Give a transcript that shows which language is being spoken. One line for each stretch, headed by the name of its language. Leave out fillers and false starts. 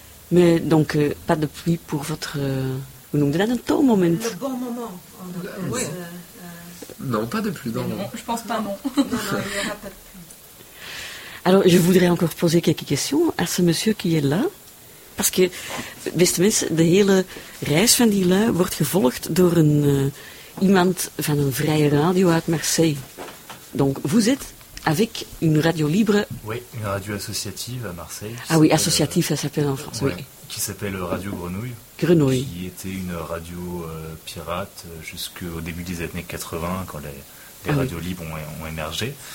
French: Mais donc pas de pluie pour votre, vous nous donnez un tome moment. Le bon moment. Non, pas de pluie. Non, je pense pas non. Non, il n'y aura pas de pluie. Alors je voudrais encore poser quelques questions à ce monsieur qui est là. Parce que,
Dutch: beste mensen, de hele reis van die lui wordt gevolgd door een... iemand van een vrije radio uit Marseille.
French: Donc, vous êtes avec une radio libre... Oui, une radio associative à Marseille. Ah oui, associative, ça s'appelle en France, ouais, oui. Qui s'appelle Radio Grenouille. Grenouille. Qui était une radio pirate jusqu'au début des années 80, quand les radios libres ont émergé.